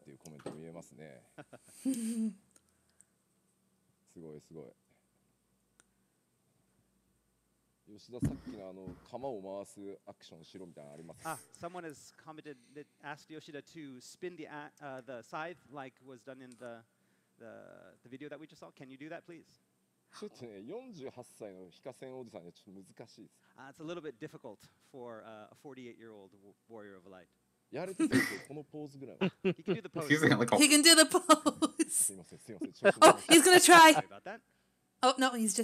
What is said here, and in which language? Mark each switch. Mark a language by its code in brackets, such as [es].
[ja] というコメントも言えますね。すごいすごい。吉田さっきのあの鎌を回すアクションしろみたいなのありますか。 [en] Someone has commented that asked Yoshida to spin the scythe like was done in the video that we just saw. Can you do that, please? [ja] ちょっとね、48歳のヒカセンおじさんにはちょっと難しいです。 [en] It's a little bit difficult for a 48-year-old warrior of light. [ja] やれててこのポーズぐらいは。 [en] He can do the pose. [ja] すいません、すいません。 [en] Oh, he's gonna try. Oh, no, he's just...